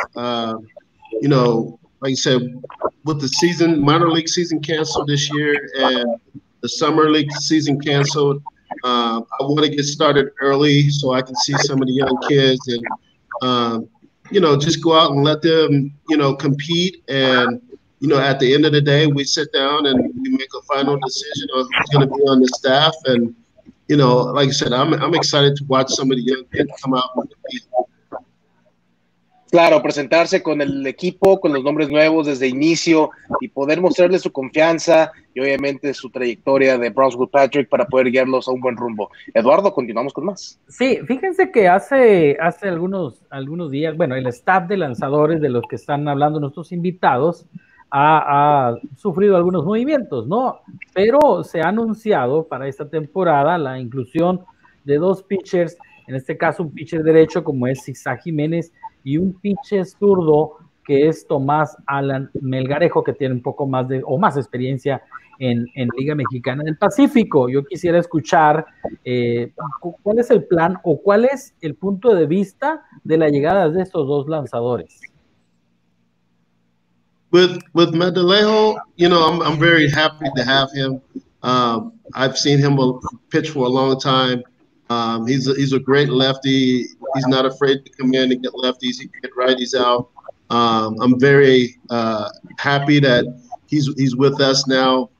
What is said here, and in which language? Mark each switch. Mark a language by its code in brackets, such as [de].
[en] You know, like I said, with the season, minor league season canceled this year and the summer league season canceled, I want to get started early so I can see some of the young kids and, you know, just go out and let them, you know, compete. And, you know, at the end of the day, we sit down and we make a final decision on who's going to be on the staff. And, you know, like I said, I'm excited to watch some of the young kids come out and compete. [es] Claro, presentarse con el equipo, con los nombres nuevos desde el inicio y poder mostrarles su confianza y obviamente su trayectoria de Bronswell Patrick para poder guiarlos a un buen rumbo. Eduardo, continuamos con más. Sí, fíjense que hace algunos días, bueno, el staff de lanzadores de los que están hablando nuestros invitados ha sufrido algunos movimientos, ¿no? Pero se ha anunciado para esta temporada la inclusión de dos pitchers, en este caso un pitcher derecho como es Isaac Jiménez, y un pitcher zurdo que es Tomás Alan Melgarejo, que tiene un poco más de o más experiencia en Liga Mexicana del Pacífico. Yo quisiera escuchar cuál es el plan o cuál es el punto de vista de la llegada de estos dos lanzadores. [en] With Melgarejo, you know, I'm very happy to have him. I've seen him pitch for a long time. He's a great lefty. He's not afraid to come in and get lefties. He can get righties out. I'm very happy that he's with us now.